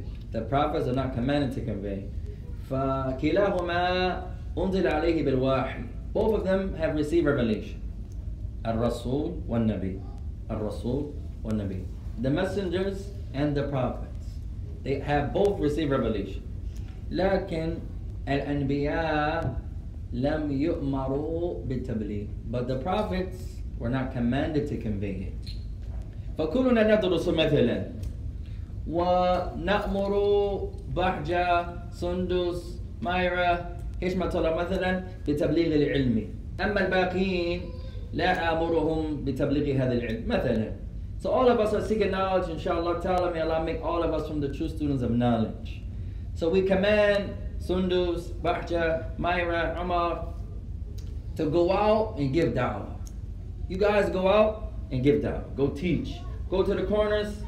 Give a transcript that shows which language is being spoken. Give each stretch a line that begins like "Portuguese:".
English: The prophets are not commanded to convey.
Arabic: فكلاهما أنزل عليه بالوحي.
English: Both of them have received revelation.
Arabic: الرسول والنبي. Al-Rasul wa Nabi.
English: The messengers and the prophets. They have both received revelation.
Arabic: لكن الأنبياء لم يؤمروا بالتبليغ.
English: But the prophets were not commanded to convey it.
Arabic: فكلنا ندرس مثلا ونأمر بحجة سندس مايرا هشمة الله مثلا بتبليغ العلم. أما الباقيين لا أمرهم بتبليغ هذا العلم مثلا.
English: So all of us are seeking knowledge, inshallah ta'ala, may Allah make all of us from the true students of knowledge. So we command Sundus, Bahja, Mayra, Umar to go out and give da'wah. You guys go out and give da'wah. Go teach. Go to the corners.